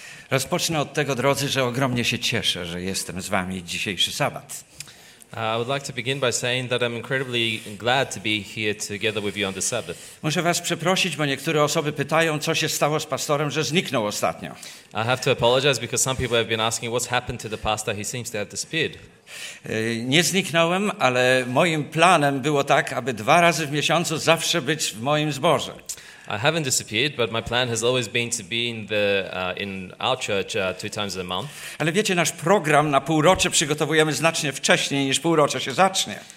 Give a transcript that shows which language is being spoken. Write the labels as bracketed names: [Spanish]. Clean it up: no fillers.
[Polish] Rozpocznę od tego, drodzy, że ogromnie się cieszę, że jestem z wami dzisiejszy sabat. [English] I would like to begin by saying that I'm incredibly glad to be here together with you on the Sabbath. [Polish] Muszę was przeprosić, bo niektóre osoby pytają, co się stało z pastorem, że zniknął ostatnio. [English] I have to apologize because some people have been asking what's happened to the pastor. He seems to have disappeared. [Polish] Nie zniknąłem, ale moim planem było tak, aby dwa razy w miesiącu zawsze być w moim zborze. [English] I haven't disappeared, but my plan has always been to be in our church two times a month. [Polish] Ale wiecie, nasz program na półrocze przygotowujemy znacznie wcześniej niż półrocze się zacznie.